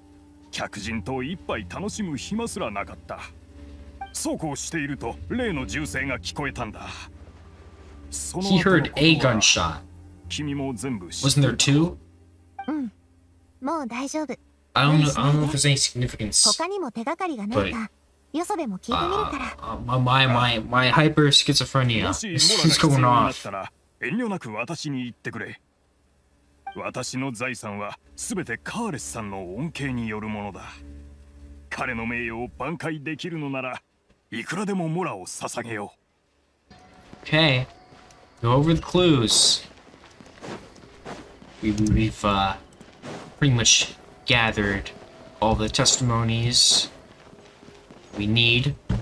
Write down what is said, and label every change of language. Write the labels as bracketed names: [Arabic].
[English] I thought he was just like a shade of blonde, but it's his hair gray. [Japanese] そうこうしていると例の銃声が聞こえたんだ。 [English] He heard a gunshot. Wasn't there two? [Japanese] もう大丈夫。 [English] I don't know if there's any significance. [Japanese] 他にも手がかりがないか。よそでも聞いてみるから。 [English] My hyper schizophrenia is going off. [Japanese] 遠慮なく私に言ってくれ。私の財産はすべてカーレスさんの恩恵によるものだ。彼の名誉を挽回できるのなら、いくらでもモラを捧げよう。 [English] Okay. Go over the clues. We've pretty much gathered all the testimonies we need.